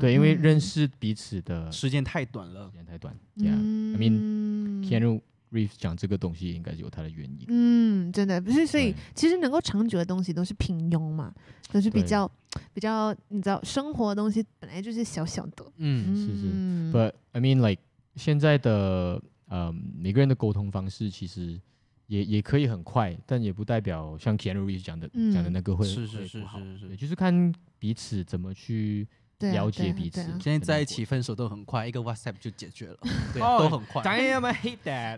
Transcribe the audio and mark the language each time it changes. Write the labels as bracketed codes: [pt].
[zh] 对，因为认识彼此的时间太短了，时间太短。 [en] Yeah, I mean, [zh] Keanu Reeves 讲这个东西应该是有他的原因。真的不是，所以其实能够长久的东西都是平庸嘛，都是比较你知道，生活的东西本来就是小小的。是 ， [en] But I mean like [zh] 现在的。每个人的沟通方式其实 也可以很快，但也不代表像 Keanu Reeves 讲的那个会是是，就是看彼此怎么去了解彼此。对啊，现在一起分手都很快，一个 WhatsApp 就解决了，对，都很快。 [en] Damn, I hate that，